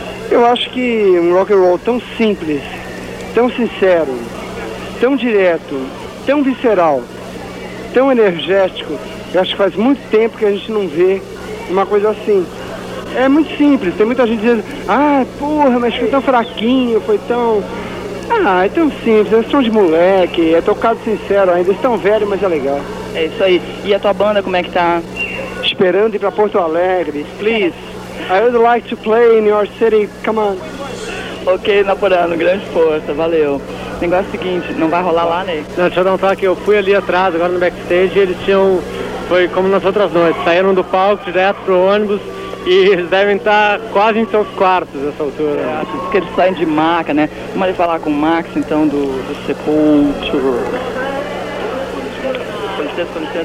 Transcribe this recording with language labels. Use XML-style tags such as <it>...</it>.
<pt>Eu acho que um rock and roll tão simples, tão sincero, tão direto, tão visceral, tão energético, eu acho que faz muito tempo que a gente não vê uma coisa assim. É muito simples, tem muita gente dizendo, ah, porra, mas foi tão fraquinho, foi tão... Ah, é tão simples, é som de moleque, é tocado sincero ainda, eles tão velho, mas é legal. É isso aí. E a tua banda, como é que tá? Esperando ir pra Porto Alegre, please.</pt> <en>I would like to play in your city, come on.</en> <pt>Ok, Naporano, grande força, valeu. O negócio é o seguinte, não vai rolar lá, né? Não, deixa eu dar um toque, eu fui ali atrás, agora no backstage, e eles tinham... Foi como nas outras noites, saíram do palco direto pro ônibus e eles devem estar quase em seus quartos nessa altura. Acho que eles saem de maca, né? Vamos ali falar com o Max, então, do Sepultura. Com licença.</pt>